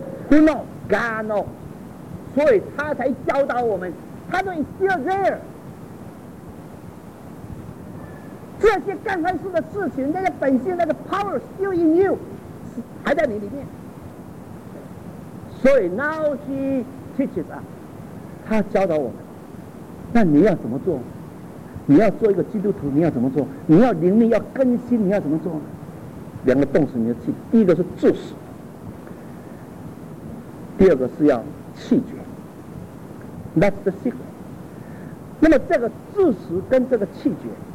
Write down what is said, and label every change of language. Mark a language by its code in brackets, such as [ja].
[en] Who knows? God knows. [zh] 所以他才教导我们，他说 [en] it's still there. [zh] 这些刚开始的事情，那个本性，那个 [en] power still in you， [zh] 还在你里面。所以 [en] now he teaches us， [zh] 他教导我们。那你要怎么做？你要做一个基督徒，你要怎么做？你要灵力要更新，你要怎么做？两个动词你要记，第一个是注视，第二个是要弃绝。 [en] That's the secret。 [zh] 那么这个注视跟这个弃绝。